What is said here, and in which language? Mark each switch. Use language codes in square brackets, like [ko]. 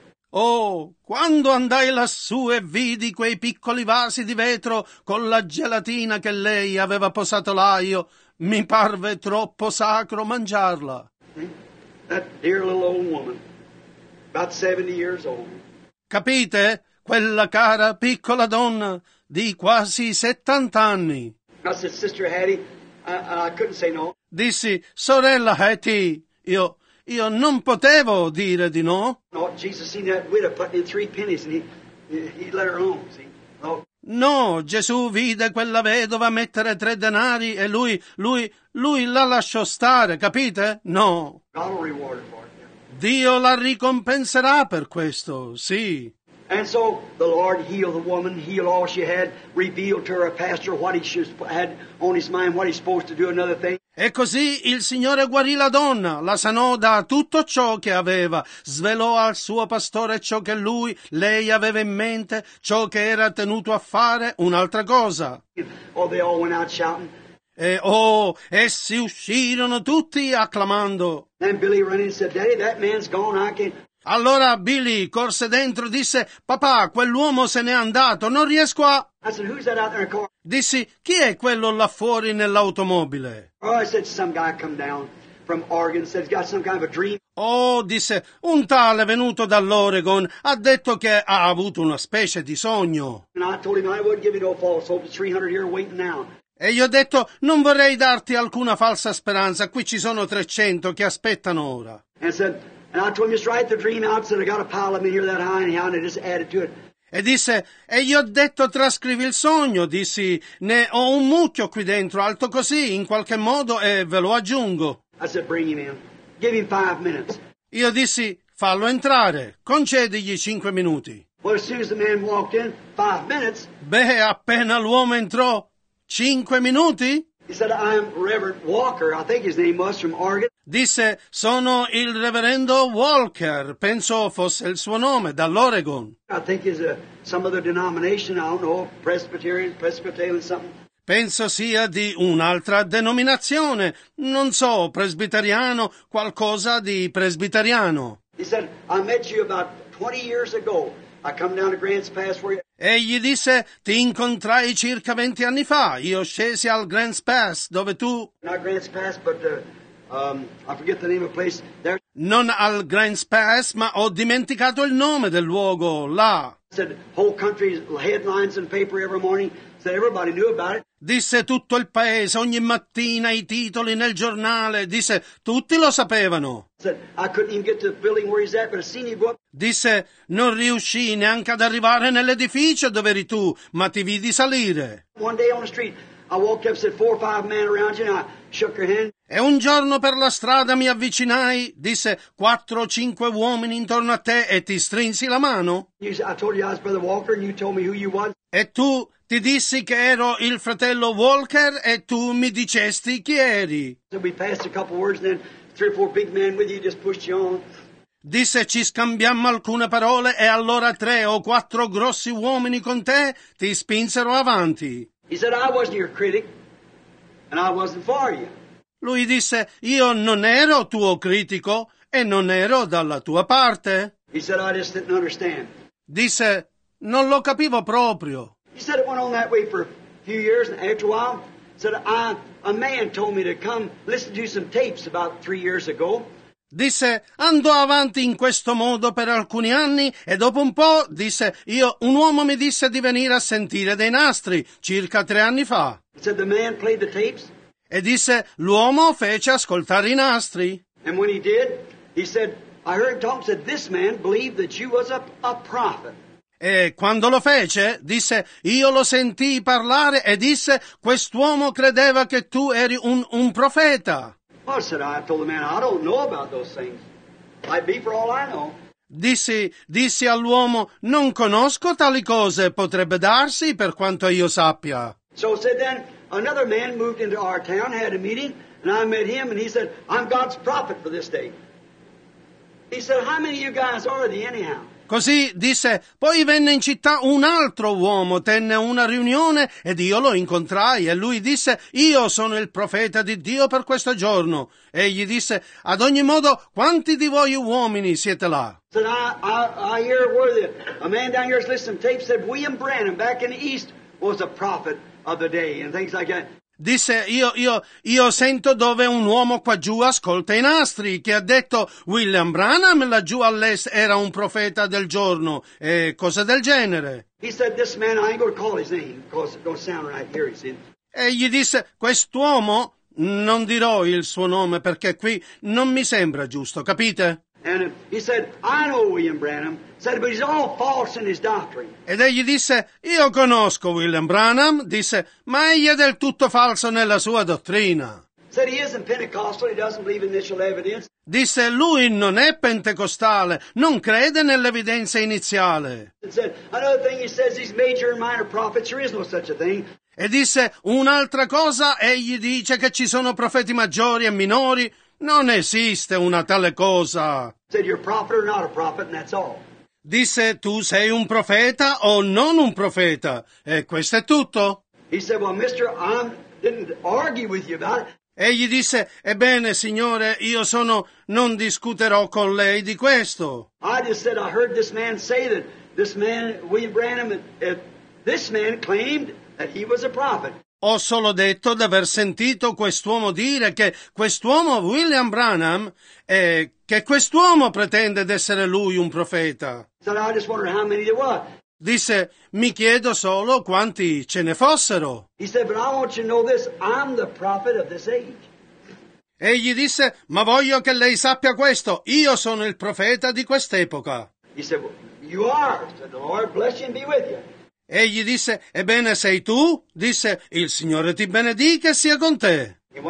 [it] Oh, quando andai lassù e vidi quei piccoli vasi di vetro con la gelatina che lei aveva posato là, io mi parve troppo sacro mangiarla. [en] That dear little old woman, about 70 years old. [it] Capite? Quella cara piccola donna di quasi 70 anni. [en] I said, Sister Hattie, I couldn't say no. [it] Dissi, sorella Hattie, io non potevo dire di no. [en] No, Jesus seen that widow putting in 3 pennies and he let her home, see? No. [it] No, Gesù vide quella vedova mettere 3 denari e lui la lasciò stare, capite? No. [en] God will reward for it. [it] Dio la ricompenserà per questo, sì. [en] And so the Lord healed the woman, healed all she had, revealed to her pastor what he had on his mind, what he's supposed to do, another thing. [it] E così il Signore guarì la donna, la sanò da tutto ciò che aveva, svelò al suo pastore ciò che lei aveva in mente, ciò che era tenuto a fare, un'altra cosa. [en] Oh, they all went out shouting. [it] E oh, essi uscirono tutti acclamando. [en] And Billy ran and said, Daddy, that man's gone, I can't. [it] Allora Billy corse dentro e disse, papà, quell'uomo se n'è andato, non riesco a... [en] I said, who's that out there in a car? [it] Dissi, chi è quello là fuori nell'automobile? [en] Oh, I said, some guy come down from Oregon, said he's got some kind of a dream. [it] Oh, disse, un tale venuto dall'Oregon ha detto che ha avuto una specie di sogno. [en] And I told him I wouldn't give you no false hope, 300 here waiting now. [it] E gli ho detto, non vorrei darti alcuna falsa speranza, qui ci sono 300 che aspettano ora. [en] And I said... And I told him, just write the dream out, said, I got a pile of me here that high and I just added to it. [it] E disse, e gli ho detto, trascrivi il sogno, dissi, ne ho un mucchio qui dentro, alto così, in qualche modo, e ve lo aggiungo. [en] I said, bring him in. Give him 5 minutes. [it] Io dissi, fallo entrare, concedigli 5 minuti. [en] Well, as soon as the man walked in, 5 minutes. [it] Beh, appena l'uomo entrò, 5 minuti? [en] He said, I'm Reverend Walker, I think his name was, from Oregon. [it] Disse, sono il reverendo Walker, penso fosse il suo nome, dall'Oregon. [en] I think he's some other denomination, I don't know, Presbyterian, something. [it] Penso sia di un'altra denominazione, non so, presbiteriano, qualcosa di presbiteriano. [en] He said, I met you about 20 years ago. I come down to Grants Pass for you. [it] Egli disse, ti incontrai circa 20 anni fa. Io scesi al Grants Pass, dove tu... [en] Not Grants Pass, but I forget the name of place there. [it] Non al Grants Pass, ma ho dimenticato il nome del luogo, là. [en] Said, whole country headlines in paper every morning. Said, everybody knew about it. [it] Disse, tutto il paese, ogni mattina, i titoli nel giornale. Disse, tutti lo sapevano. [en] Said, I couldn't even get to the building where he's at, but I seen you go up. [it] Disse, non riuscii neanche ad arrivare nell'edificio dove eri tu, ma ti vidi salire. [en] One day on the street, I walked up, said, 4 or 5 men around you, and I shook your hand. [it] E un giorno per la strada mi avvicinai, disse, 4 o 5 uomini intorno a te, e ti strinsi la mano. [en] You, I told you I was Brother Walker, and you told me who you was. [it] E tu ti dissi che ero il fratello Walker, e tu mi dicesti chi eri. [en] So we passed a couple words, and then 3 or 4 big men with you just pushed you on. [it] Disse, ci scambiammo alcune parole e allora 3 o 4 grossi uomini con te ti spinsero avanti. [en] He said, I wasn't your critic and I wasn't for you. [it] Lui disse, io non ero tuo critico e non ero dalla tua parte. [en] He said, I just didn't understand. [it] Disse, non lo capivo proprio. [en] He said, it went on that way for a few years and after a while said, a man told me to come listen to some tapes about 3 years ago. [it] Disse, andò avanti in questo modo per alcuni anni e dopo un po', disse, io un uomo mi disse di venire a sentire dei nastri circa 3 anni fa. [en] Said the man played the tapes. [it] E disse, l'uomo fece ascoltare i nastri. [en] And when he did, he said, I heard Tom said this man believed that you was a prophet. [it] E quando lo fece, disse, io lo sentii parlare e disse, quest'uomo credeva che tu eri un profeta. [en] Well, said I told the man, I don't know about those things. Might be for all I know. [it] Dissi all'uomo, non conosco tali cose, potrebbe darsi per quanto io sappia. [en] So said then, another man moved into our town, had a meeting, and I met him and he said, I'm God's prophet for this day. He said, how many of you guys are the anyhow? [it] Così disse, poi venne in città un altro uomo, tenne una riunione ed io lo incontrai e lui disse, io sono il profeta di Dio per questo giorno. Egli disse, ad ogni modo, quanti di voi uomini siete là? [en] Said, I hear word that a man down here listened to tape said William Branham back in the East was a prophet of the day and things like that. [it] Disse, io sento dove un uomo qua giù ascolta i nastri, che ha detto William Branham laggiù all'est era un profeta del giorno, e cose del genere. [en] He said, this man, I ain't gonna call his name, cause it don't sound right here, he said. [it] E gli disse, quest'uomo, non dirò il suo nome perché qui non mi sembra giusto, capite? [en] And he said, I know William Branham, said, but he's all false in his doctrine. [it] Ed egli disse, io conosco William Branham, disse, ma egli è del tutto falso nella sua dottrina. [en] Said, he isn't Pentecostal, he doesn't believe in initial evidence. [it] Disse, lui non è pentecostale, non crede nell'evidenza iniziale. [en] And said, another thing he says, he's major and minor prophets, there is no such a thing. [it] E disse, un'altra cosa, egli dice che ci sono profeti maggiori e minori, non esiste una tale cosa. [en] Said, you're a prophet or not a prophet, and that's all. [it] Disse, tu sei un profeta o non un profeta, e questo è tutto. [en] He said, well, mister, I didn't argue with you about it. [it] Egli disse, ebbene, signore, io sono, non discuterò con lei di questo. [en] I just said, I heard this man say that this man, William Branham, this man claimed that he was a prophet. [it] Ho solo detto d'aver sentito quest'uomo dire che quest'uomo William Branham che quest'uomo pretende d'essere lui un profeta. [en] So I just wonder how many there were. [it] Disse, mi chiedo solo quanti ce ne fossero. [en] He said, but I want you to know this, I'm the prophet of this age. [it] Egli disse, ma voglio che lei sappia questo, io sono il profeta di quest'epoca. [en] He said, well, you are, so the Lord bless you and be with you. [it] Egli disse, ebbene sei tu? Disse, il Signore ti benedica e sia con te.